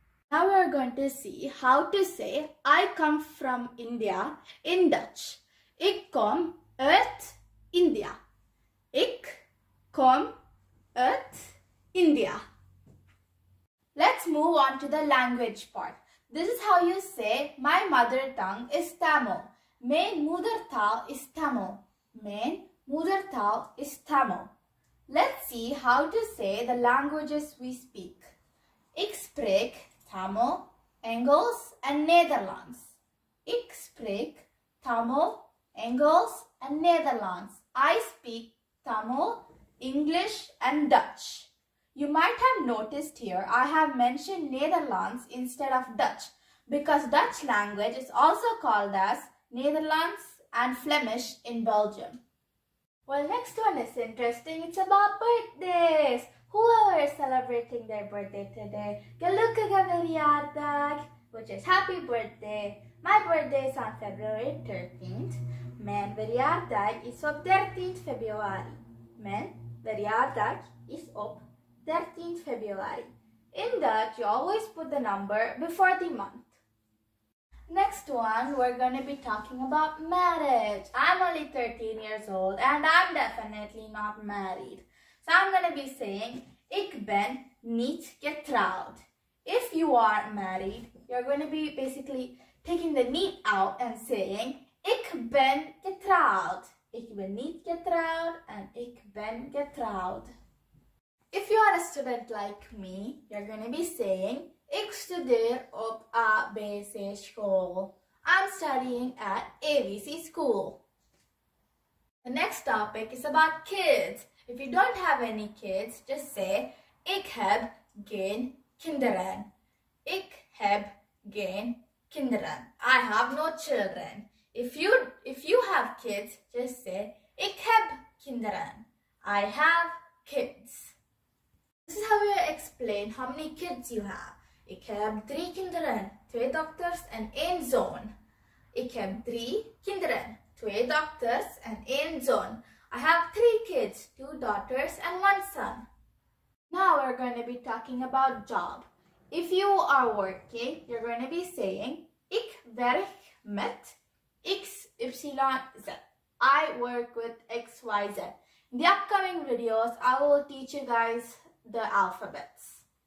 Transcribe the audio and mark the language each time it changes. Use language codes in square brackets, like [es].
[en] Now we're going to see how to say I come from India in Dutch. [nl] Ik kom uit India. Ik kom uit India. [en] Let's move on to the language part. This is how you say my mother tongue is Tamil. [nl] Mijn moedertaal is Tamil. Mijn moedertaal is Tamil. [en] Let's see how to say the languages we speak. [nl] Ik spreek Tamil, Engels and Netherlands. Ik spreek Tamil, Engels and Netherlands. [en] I speak Tamil, English and Dutch. You might have noticed here I have mentioned Netherlands instead of Dutch because Dutch language is also called as Netherlands and Flemish in Belgium. Well, next one is interesting. It's about birthdays. Whoever is celebrating their birthday today, [nl] gelukkige verjaardag, [en] which is happy birthday. My birthday is on February 13th. [nl] Mijn verjaardag is op 13 februari. Mijn verjaardag is op 13 februari. [en] In Dutch, you always put the number before the month. Next one, we're going to be talking about marriage. I'm only 13 years old and I'm definitely not married. So I'm going to be saying, [nl] ik ben niet getrouwd. [en] If you are married, you're going to be basically taking the niet out and saying, [nl] ik ben getrouwd. Ik ben niet getrouwd and ik ben getrouwd. [en] If you are a student like me, you're going to be saying, [nl] ik studeer op ABC school. [en] I'm studying at ABC school. The next topic is about kids. If you don't have any kids, just say, [nl] ik heb geen kinderen. Ik heb geen kinderen. [en] I have no children. If you have kids, just say, [nl] ik heb kinderen. [en] I have kids. This is how we explain how many kids you have. [nl] Ik heb 3 kinderen, 2 dokters en 1 zoon. Ik heb 3 kinderen, 2 dokters en 1 zoon. [en] I have 3 kids, 2 daughters and 1 son. Now we're going to be talking about job. If you are working, you're going to be saying [nl] ik werk met XYZ. [en] I work with XYZ. In the upcoming videos, I will teach you guys the alphabets.